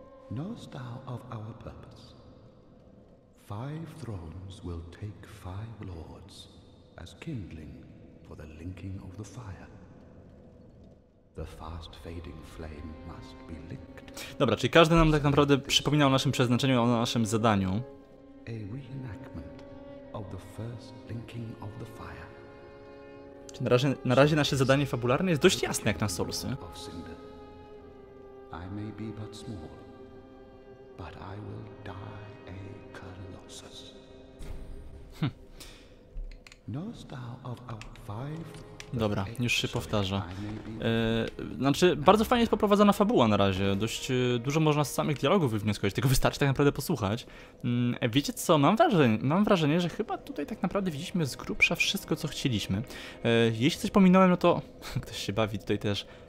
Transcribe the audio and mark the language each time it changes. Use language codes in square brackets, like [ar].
[en] Knowest thou of our purpose? Five thrones will take five lords as kindling for the linking of the fire. The fast fading flame must be licked. [pl] Dobra, czyli każdy nam tak naprawdę przypominał o naszym przeznaczeniu, o naszym zadaniu. [en] A reenactment of the first linking of the fire. [pl] Czyli na razie nasze zadanie fabularne jest dość jasne jak na Soulsy. [en] I may be but small. But I will die a colossus. Knowest thou of our five? [pl] Dobra, już się powtarza. Znaczy, bardzo fajnie jest poprowadzona fabuła na razie. Dość dużo można z samych dialogów wywnioskować, tylko wystarczy tak naprawdę posłuchać. Wiecie co, mam wrażenie, że chyba tutaj tak naprawdę widzieliśmy z grubsza wszystko, co chcieliśmy. Jeśli coś pominąłem, no to... Ktoś się bawi tutaj też